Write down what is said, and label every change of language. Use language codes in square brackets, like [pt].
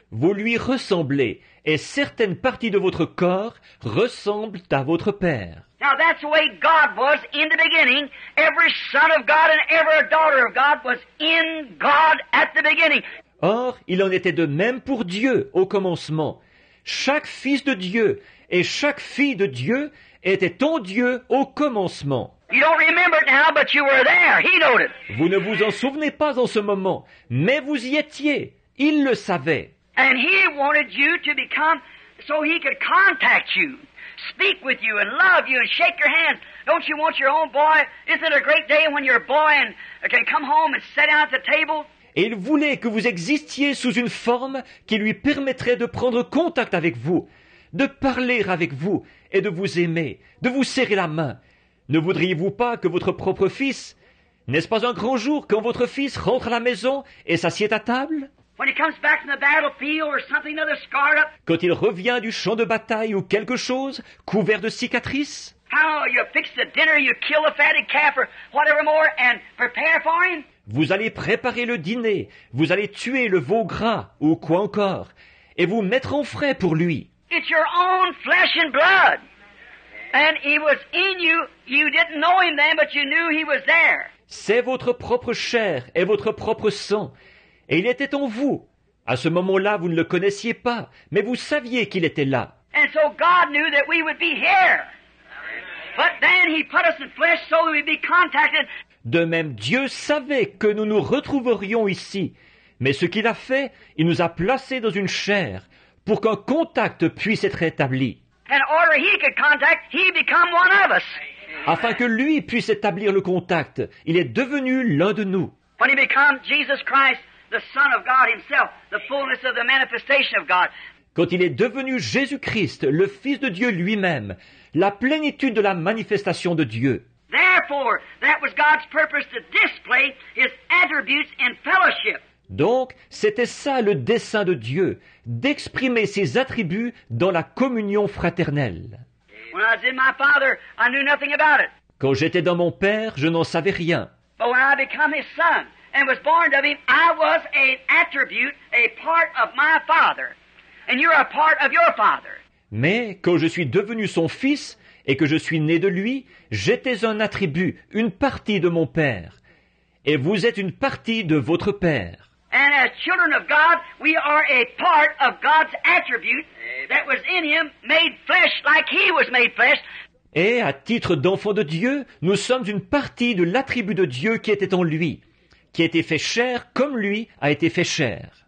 [fr] Vous lui ressemblez, et certaines parties de votre corps ressemblent à votre père. [en] Now that's the way God was in the beginning. Every son of God and every daughter of God was in God at the beginning. [fr] Or, il en était de même pour Dieu au commencement. Chaque fils de Dieu et chaque fille de Dieu était en Dieu au commencement. [en] You don't remember it now, but you were there. He knowed it. [fr] Vous ne vous en souvenez pas en ce moment, mais vous y étiez. Il le savait. [en] And he wanted you to become so he could contact you. Speak with you and love you and shake your hand. Don't you want your own boy? Isn't it a great day when your boy can come home and sit down at the table? [fr] Et il voulait que vous existiez sous une forme qui lui permettrait de prendre contact avec vous, de parler avec vous et de vous aimer, de vous serrer la main. Ne voudriez-vous pas que votre propre fils, n'est-ce pas un grand jour quand votre fils rentre à la maison et s'assied à table? [en] When he comes back from the battlefield or something other scarred up. [fr] Quand il revient du champ de bataille ou quelque chose, couvert de cicatrices. [en] How you fix the dinner, you kill a fatted calf or whatever more and prepare for him. [fr] Vous allez préparer le dîner, vous allez tuer le veau gras ou quoi encore, et vous mettre en frais pour lui. [en] It's your own flesh and blood. And he was in you. You didn't know him then, but you knew he was there. [fr] C'est votre propre chair et votre propre sang. Et il était en vous. À ce moment-là, vous ne le connaissiez pas, mais vous saviez qu'il était là. [en] And so God knew that we would be here. But then he put us in flesh so that we'd be contacted. [fr] De même, Dieu savait que nous nous retrouverions ici. Mais ce qu'il a fait, il nous a placés dans une chair pour qu'un contact puisse être établi. [en] And order he could contact, he become one of us. [fr] Afin que lui puisse établir le contact, il est devenu l'un de nous. [en] When he became Jesus Christ, the Son of God himself, the fullness of the manifestation of God. [fr] Quand il est devenu Jésus-Christ, le Fils de Dieu lui-même, la plénitude de la manifestation de Dieu. [en] Therefore, that was God's purpose to display his attributes in fellowship. [fr] Donc, c'était ça le dessein de Dieu, d'exprimer ses attributs dans la communion fraternelle. [en] When I was in my father, I knew nothing about it. [fr] Quand j'étais dans mon père, je n'en savais rien. [en] But when I became his son and was born of him, I was an attribute, a part of my father. And you're a part of your father. [fr] Mais quand je suis devenu son fils et que je suis né de lui, j'étais un attribut, une partie de mon père. Et vous êtes une partie de votre père. [en] And as children of God, we are a part of God's attribute that was in him, made flesh like he was made flesh. [fr] Et à titre d'enfant de Dieu, nous sommes une partie de l'attribut de Dieu qui était en lui, qui a été fait chair comme lui a été fait chair.